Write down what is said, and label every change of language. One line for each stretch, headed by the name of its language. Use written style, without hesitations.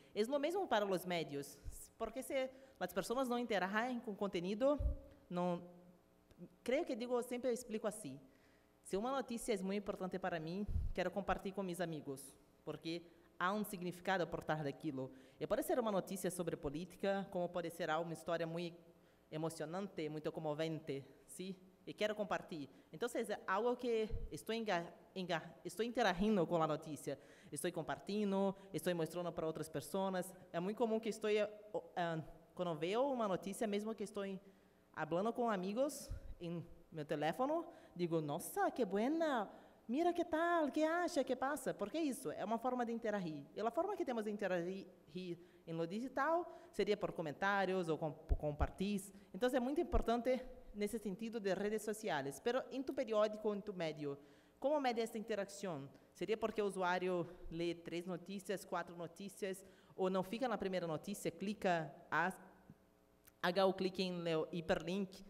Spanish: Es lo mismo para los medios, porque si las personas no interagen con contenido, no, creo que digo, siempre explico así, si una noticia es muy importante para mí, quiero compartir con mis amigos, porque
Portuguese: há um significado por trás daquilo. E pode ser uma notícia sobre política, como pode ser uma história muito emocionante, muito comovente, sim? E quero compartilhar. Então, é algo que estou interagindo com a notícia. Estou compartilhando, estou mostrando para outras pessoas. É muito comum que estou, quando vejo uma notícia, mesmo que estou falando com amigos em meu telefone, digo, nossa, que boa!
Spanish: Mira qué tal, qué acha, qué pasa. ¿Por qué eso? Es una forma de interagir. Y la forma que tenemos de interagir en lo digital sería por comentarios o por compartir. Entonces, es muy importante en ese sentido de redes sociales. Pero en tu periódico, en tu medio, ¿cómo mide esta interacción? ¿Sería porque el usuario lee 3 noticias, 4 noticias, o no fica en la primera noticia, clica, haga un clic en el hiperlink?